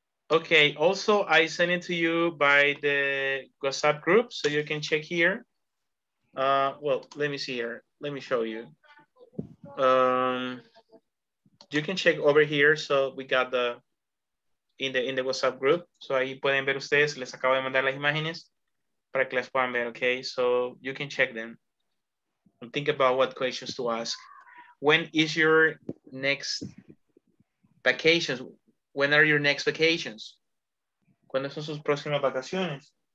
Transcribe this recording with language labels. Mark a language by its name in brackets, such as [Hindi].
[English] Okay, also I sent it to you by the WhatsApp group, so you can check here. Well, let me see here. Let me show you. You can check over here. So we got the in the WhatsApp group. [Spanish] So ahí pueden ver ustedes. Les acabo de mandar las imágenes para que las puedan ver. [English] Okay. So you can check them and think about what questions to ask. When is your next vacations? When are your next vacations? [Spanish] ¿Cuándo son sus próximas vacaciones?